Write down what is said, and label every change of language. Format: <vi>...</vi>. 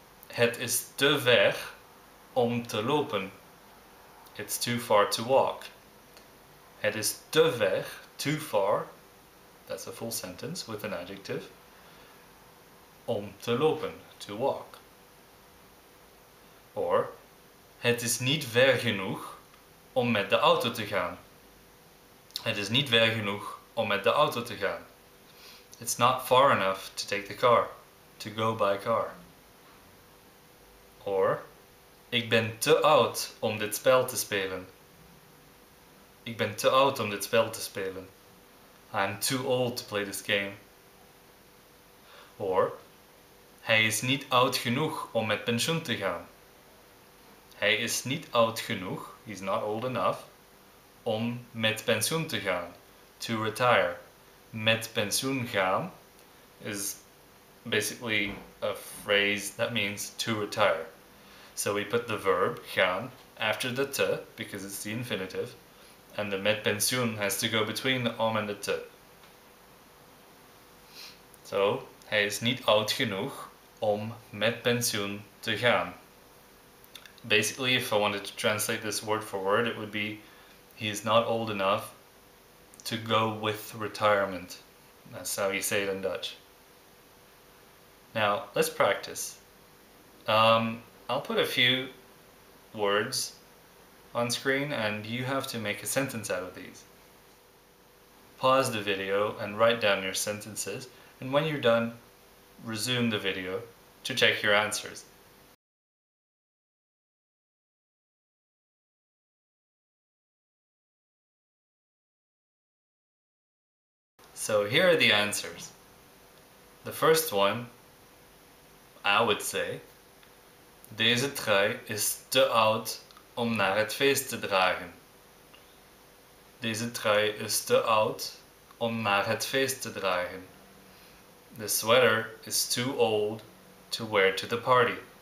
<nl>Het is te ver om te lopen.</nl> <en>It's too far to walk.</en> <nl>Het is te ver,</nl> <en>too far, that's a full sentence with an adjective,</en> <nl>om te lopen,</nl> <en>to walk.</en> <nl>Or, het is niet ver genoeg om met de auto te gaan. Het is niet ver genoeg om met de auto te gaan.</nl> <en>It's not far enough to take the car, to go by car.</en> <nl>Or, ik ben te oud om dit spel te spelen. Ik ben te oud om dit spel te spelen.</nl> <en>I'm too old to play this game.</en> <nl>Or, hij is niet oud genoeg om met pensioen te gaan. Hij is niet oud genoeg,</nl> <en>he's not old enough,</en> <nl>om met pensioen te gaan.</nl> <en>To retire. Met pensioen gaan is basically a phrase that means to retire. So we put the verb gaan after the te because it's the infinitive. And the met pensioen has to go between the om and the te. So, hij is niet oud genoeg om met pensioen te gaan. Basically, if I wanted to translate this word for word, it would be he is not old enough to go with retirement. That's how you say it in Dutch. Now, let's practice. I'll put a few words on screen, and you have to make a sentence out of these. Pause the video and write down your sentences, and when you're done, resume the video to check your answers. So here are the answers. The first one, I would say,</en> <nl>deze trui is te oud om naar het feest te dragen. Deze trui is te oud om naar het feest te dragen.</nl> <en>The sweater is too old to wear to the party.</en>